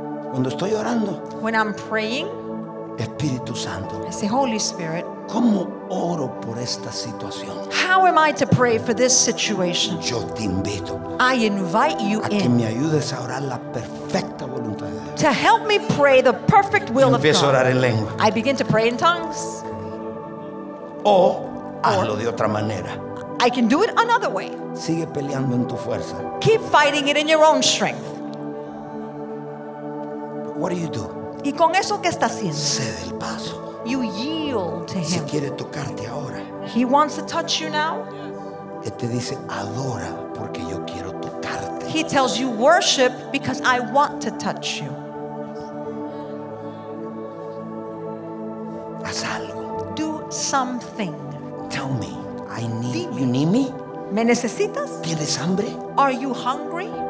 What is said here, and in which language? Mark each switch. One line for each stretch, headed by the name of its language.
Spanish: Cuando estoy orando,
English: when I'm praying,
Spanish: Espíritu Santo,
English: I say, Holy Spirit,
Spanish: ¿cómo oro por esta situación?
English: How am I to pray for this situation?
Spanish: Yo te invito,
English: I invite you
Spanish: a que me ayudes a orar la perfecta voluntad de Dios.
English: To help me pray the perfect will of God.
Spanish: A orar en lengua.
English: I begin to pray in tongues.
Spanish: O hazlo de otra manera.
English: I can do it another way.
Spanish: Sigue peleando en tu fuerza.
English: Keep fighting it in your own strength. What do you do?
Spanish: ¿Y con eso qué está haciendo? Cede el paso.
English: You yield to him.
Spanish: Si quiere tocarte ahora,
English: he wants to touch you now.
Spanish: Él te dice, adora porque yo quiero tocarte.
English: He tells you, worship because I want to touch you.
Spanish: Haz algo.
English: Do something. Tell me, I need,
Spanish: dime,
English: you need me?
Spanish: ¿Me necesitas? ¿Tienes hambre?
English: Are you hungry?